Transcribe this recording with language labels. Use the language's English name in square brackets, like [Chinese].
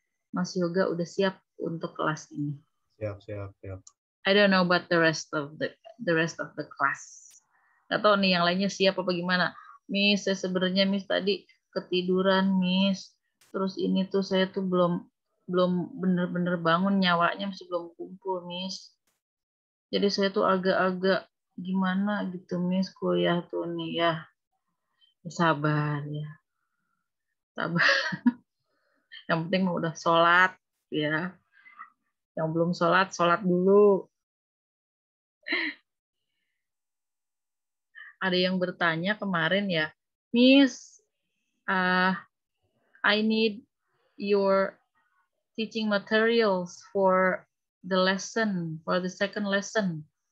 [Indonesian] Mas Yoga udah siap untuk kelas ini. Siap, siap, siap. [English] I don't know about the rest of the class. [Indonesian] Gak tau nih yang lainnya siap apa gimana. Miss, saya sebenarnya Miss tadi ketiduran, Miss. Terus ini tuh saya tuh belum bener-bener bangun, nyawanya masih belum kumpul, Miss. Jadi saya tuh agak-agak gimana gitu, Miss, kuliah tuh nih ya. Sabar ya. Sabar. Yang penting udah sholat ya. Yang belum sholat, sholat dulu. Ada yang bertanya kemarin ya. [English] Miss, I need your teaching materials for the lesson, for the second lesson.